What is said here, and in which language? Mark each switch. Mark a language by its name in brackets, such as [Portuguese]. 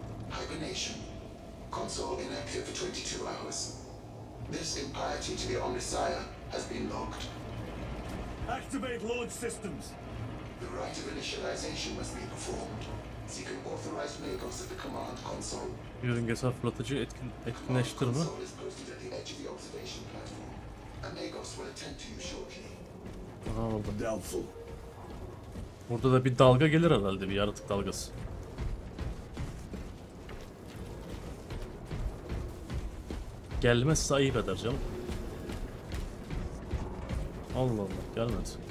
[English] Hibernation. Console inactive for 22 hours. This impiety to the Omnissiah has been locked. Activate launch systems. The rite of initialization must be performed. Seek an authorized logos at the command console. [Turkish] Yörünge safratıcı etkinleştirme. [English] The console is posted at the edge of the observation platform. A logos will attend to you shortly. [Turkish] Aha, orada. [English] Doubtful. [Turkish] Burada da bir dalga gelir herhalde, bir yaratık dalgası. Gelmezse ayıp eder canım. Allah Allah, gelmedi.